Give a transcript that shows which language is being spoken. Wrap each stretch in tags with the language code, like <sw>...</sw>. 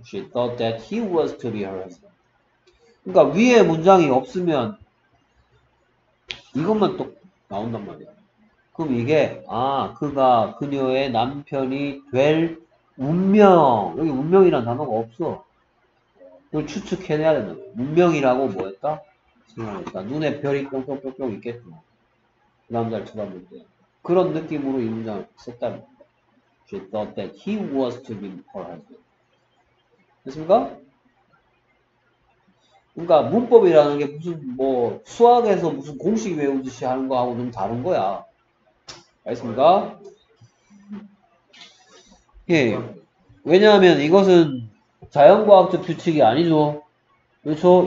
<en>She thought that he was to be her husband.</en> <ko>그러니까 위에 문장이 없으면 이것만 또 나온단 말이야. 그럼 이게 아 그가 그녀의 남편이 될 운명. 여기 운명이란 단어가 없어. 그걸 추측해내야 되는 거야. 운명이라고 뭐였다? 생각했다. 눈에 별이 뿅뿅뿅뿅 있겠구나. 그 남자를 쳐다볼 때 그런 느낌으로 이 문장을 썼다.</ko> <en>She thought that he was to be her husband.</en> <ko>됐습니까? 그러니까 문법이라는 게 무슨 뭐 수학에서 무슨 공식 외우듯이 하는 거하고 좀 다른 거야. 알겠습니까? 예. 왜냐하면 이것은 자연과학적 규칙이 아니죠. 그렇죠?</ko>